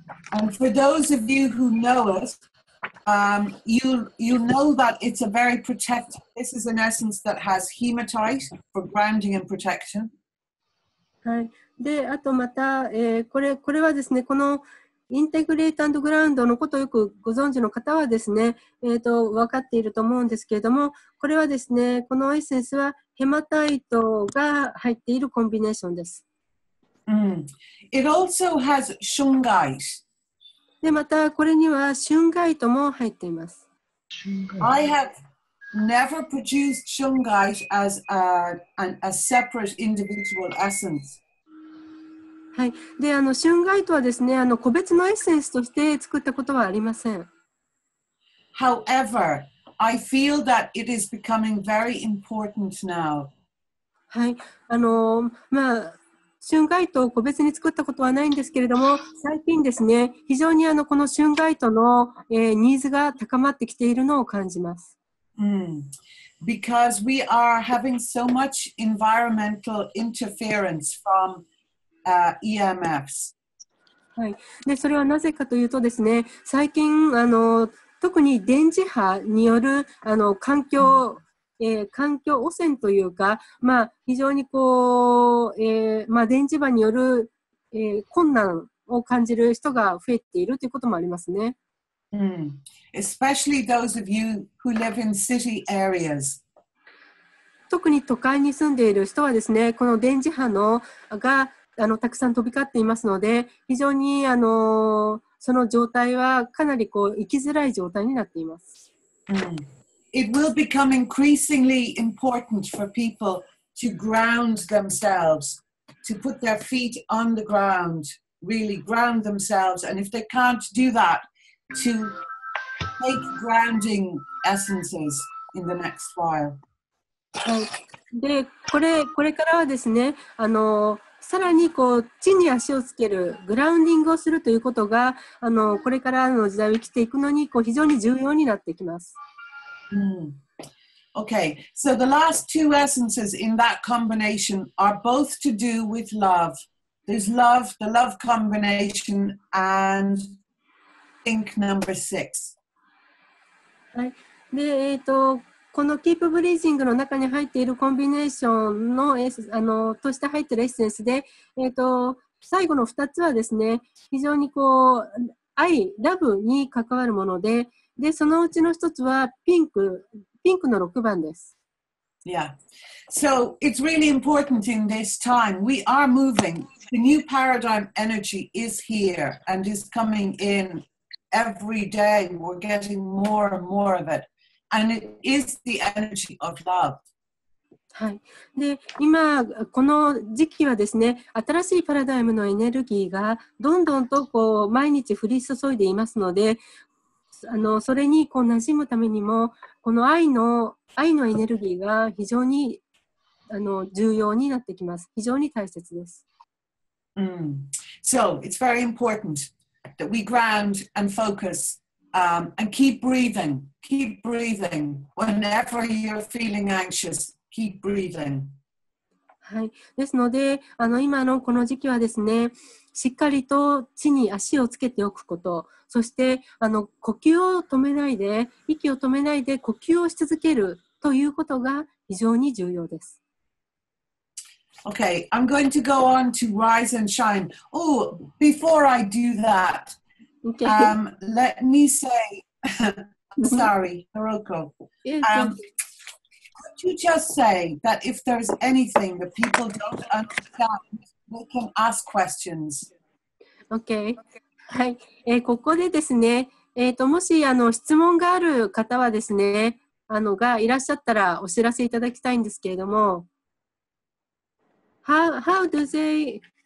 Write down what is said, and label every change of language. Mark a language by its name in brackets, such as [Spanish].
[English] And for those of you who know us, you know that it's a very protective. This is an essence that has hematite for grounding and protection. [Japanese] はい、であとまた、これはですね、このインテグレート&グラウンドのことをよくご存知の方はですね、分かっていると思うんですけれども、これはですね、このエッセンスはヘマタイトが入っているコンビネーションです。 [English] It also has shungite. [Japanese] で、またこれにはシュンガイトも入っています。 [English] I have never produced shungite as a separate individual essence. [Japanese] はい、であのシュンガイトはですね、あの個別のエッセンスとして作ったことはありません。 [English] However, I feel that it is becoming very important now. [Japanese] はい、あのまあシュンガイトを個別に作ったことはないんですけれども、最近ですね、非常にあのこのシュンガイトの、ニーズが高まってきているのを感じます。 [English] Because we are having so much environmental interference fromEMFs. [Japanese] はい、でそれはなぜかというとですね、最近あの特に電磁波によるあの環境、環境汚染というか、まあ、非常にこう、電磁波による、困難を感じる人が増えているということもありますね。 [English] Especially those of you who live in city areas. [Japanese] 特に都会に住んでいる人はですね、この電磁波のがあのたくさん飛び交っていますので、非常にあのその状態はかなりこう生きづらい状態になっています。 [English] It will become increasingly important for people to ground themselves, to put their feet on the ground, really ground themselves, and if they can't do that, to take grounding essences in the next while. [Japanese] で、これからはですね、さらにこう地に足をつける、グラウンディングをするということが、これからの時代を生きていくのにこう非常に重要になってきます。 [English] Okay, so the last two essences in that combination are both to do with love. There's love, the love combination, and think number six. [Japanese] はい。で、このキープブリージングの中に入っているコンビネーションのエッセンス、として入っているエッセンスで、最後の2つはですね、非常にこう、愛、ラブに関わるもので、で、そのうちの1つはピンクの6番です。 [English] Yeah. So it's really important in this time. We are moving. The new paradigm energy is here and is coming in every day. We're getting more and more of it. And it is the energy of love. [Japanese] はい、で今この時期はですね、新しいパラダイムのエネルギーがどんどんとこう毎日降り注いでいますので、それにこう馴染むためにもこの愛のエネルギーが非常に重要になってきます。非常に大切です。 [English] So it's very important that we ground and focus、and keep breathing whenever you're feeling anxiousKeep breathing. [Japanese] はい、ですので今のこの時期はですね、しっかりと地に足をつけておくこと、そして呼吸を止めないで、息を止めないで呼吸をし続けるということが非常に重要です。 [English] Okay, I'm going to go on to rise and shine. Oh, before I do that, let me say sorry, Hiroko. You just say that if there's anything that people don't understand, they can ask questions. Okay. はい。 [Japanese] ここでですね、もし質問がある方はですね、がいらっしゃったらお知らせいただきたいんですけれども、 [English] how do they?